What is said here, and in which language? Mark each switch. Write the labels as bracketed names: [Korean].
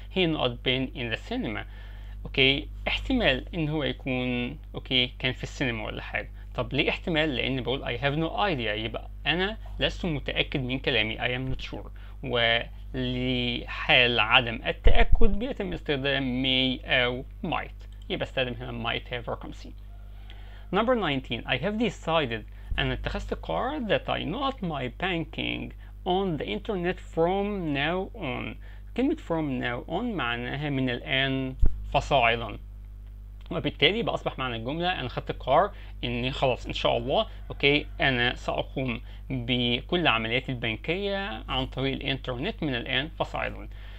[English] He not been in the cinema [Arabic] أوكي احتمال إن هو يكون أوكي كان في السينما ولا حاجة. طب ليه احتمال؟ لأن بقول [English] I have no idea [Arabic] يبقى أنا لست متأكد من كلامي [English] I am not sure، [Arabic] ولحال عدم التأكد بيتم استخدام may أو might يبقى استخدم هنا might have or come see. [English] Number 19. I have decided [Arabic] أنا اتخذت قرار [English] that I not my banking on the internet from now on. [Arabic] كلمة from now on معناها من الآن فصاعدا، وبالتالي بأصبح معنى الجملة أنا خدت قرار إني خلاص إن شاء الله أوكي أنا سأقوم بكل عملياتي البنكية عن طريق الإنترنت من الآن فصاعدا.